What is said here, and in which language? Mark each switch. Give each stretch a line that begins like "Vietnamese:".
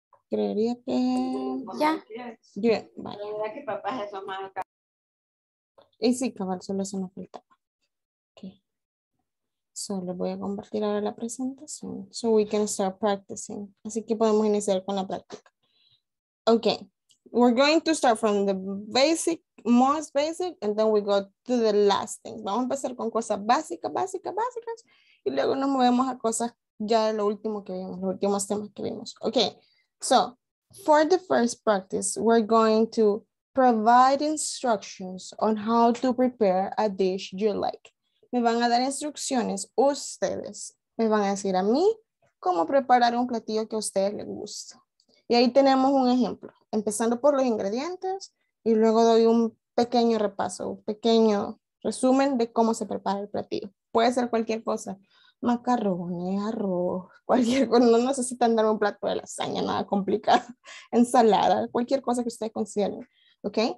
Spanish: Creería que... ¿Ya? Bien, vale. La verdad que papá es eso más acá. Y sí, cabal, solo eso no faltaba. Ok. So, les voy a compartir ahora la presentación.
English: So, we can start practicing.
Spanish: Así que podemos iniciar con la práctica. Ok.
English: We're going to start from the basic, most basic, and then we go to the last things.
Spanish: Vamos a empezar con cosas básicas, básicas, básicas, y luego nos movemos a cosas ya de lo último que vimos, los últimos temas que vimos.
English: Okay, so for the first practice, we're going to provide instructions on how to prepare a dish you like.
Spanish: Me van a dar instrucciones ustedes. Me van a decir a mí cómo preparar un platillo que a ustedes les gusta. Y ahí tenemos un ejemplo, empezando por los ingredientes y luego doy un pequeño repaso, un pequeño resumen de cómo se prepara el platillo. Puede ser cualquier cosa, macarrones, arroz, cualquier cosa, no necesitan darme un plato de lasaña, nada complicado, ensalada, cualquier cosa que ustedes consideren, ¿ok?